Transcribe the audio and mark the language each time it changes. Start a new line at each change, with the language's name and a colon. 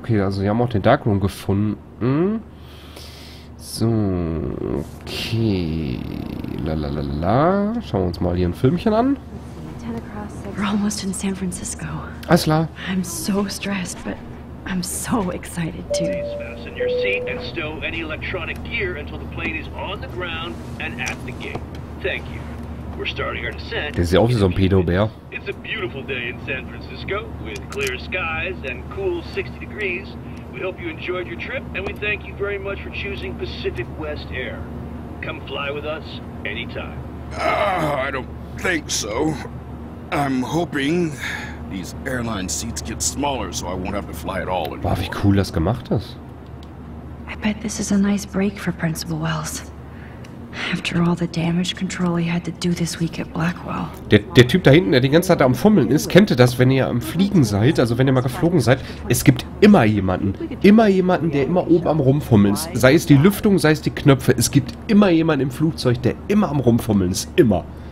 German: Okay, also sie haben auch den Darkroom gefunden. So, okay. Lalalala. Schauen wir uns mal hier ein Filmchen an.
English: We're almost in San Francisco.
German: Alles klar.
English: I'm so stressed, but I'm so excited too. Fasten your seat and stow any electronic gear until the plane is on the ground and at the gate. Thank you. We're starting our descent.
German: Der sieht aus wie so ein Pedo-Bär.
English: It's a beautiful day in San Francisco with clear skies and cool 60 degrees. We hope you enjoyed your trip and we thank you very much for choosing Pacific West Air. Come fly with us anytime. I don't think so. I'm hoping these airline seats get smaller so I won't have to fly at all anymore.
German: Wow, wie cool das gemacht ist.
English: I bet this is a nice break for Principal Wells. After all the damage control he had to do this week at Blackwell.
German: Der Typ da hinten, der die ganze Zeit am Fummeln ist, kennt ihr das, wenn ihr am Fliegen seid, also wenn ihr mal geflogen seid, es gibt immer jemanden, der immer oben am Rumfummeln ist. Sei es die Lüftung, sei es die Knöpfe, es gibt immer jemanden im Flugzeug, der immer am Rumfummeln ist, immer.